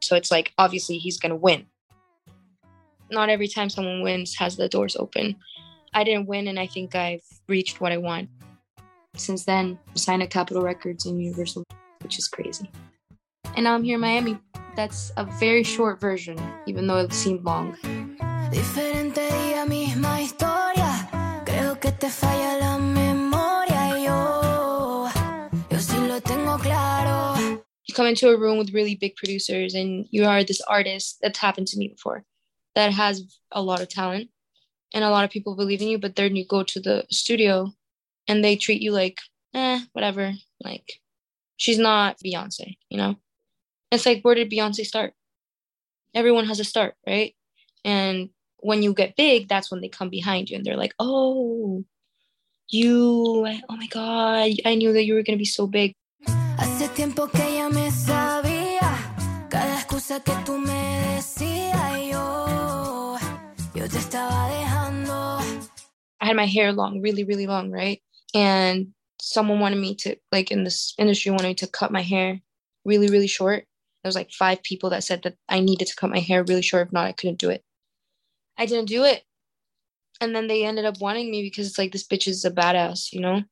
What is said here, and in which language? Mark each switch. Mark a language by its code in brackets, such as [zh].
[en] So it's like, obviously he's going to win. Not every time someone wins has the doors open. I didn't win and I think I've reached what I want. Since then, I signed at Capitol Records and Universal, which is crazy. And now I'm here in Miami. That's a very short version, even though it seemed long. [es] Diferente a mi misma historia. Creo que te falla la memoria. Yo si lo tengo claro. [en] You come into a room with really big producers and you are this artist that's happened to me before that has a lot of talent and a lot of people believe in you, but then you go to the studio and they treat you like, whatever. Like, she's not Beyonce, you know? It's like, where did Beyonce start? Everyone has a start, right? And when you get big, that's when they come behind you. And they're like, oh my God, I knew that you were going to be so big. [es] Hace tiempo que ya me sabía. Cada excusa que tú me decías, yo te estaba dejando. [en] I had my hair long, really, really long, right? And someone wanted me to, like in this industry, wanted me to cut my hair really, really short. There was like five people that said that I needed to cut my hair really short. If not, I couldn't do it. I didn't do it. And then they ended up wanting me because it's like, this bitch is a badass, you know?